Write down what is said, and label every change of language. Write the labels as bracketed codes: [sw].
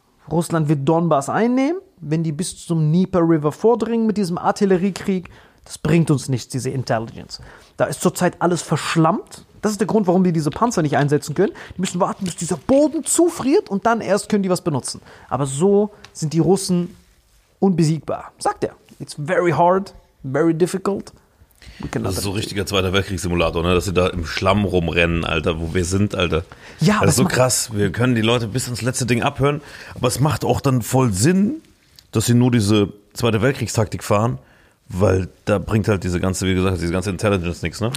[de] Russland wird Donbass einnehmen, wenn die bis zum Dnieper River vordringen mit diesem Artilleriekrieg. Das bringt uns nichts, diese Intelligence. Da ist zurzeit alles verschlammt. Das ist der Grund, warum die diese Panzer nicht einsetzen können. Die müssen warten, bis dieser Boden zufriert und dann erst können die was benutzen. Aber so sind die Russen unbesiegbar. Sagt er. [en] It's very hard, very difficult. [de] Das ist so ein richtiger Zweiter Weltkriegssimulator, ne? Dass sie da im Schlamm rumrennen, Alter, wo wir sind, Alter. Ja, das ist so krass. Wir können die Leute bis ins letzte Ding abhören. Aber es macht auch dann voll Sinn, dass sie nur diese Zweite Weltkriegstaktik fahren. Weil da bringt halt diese ganze, wie gesagt, diese ganze Intelligence nichts, ne?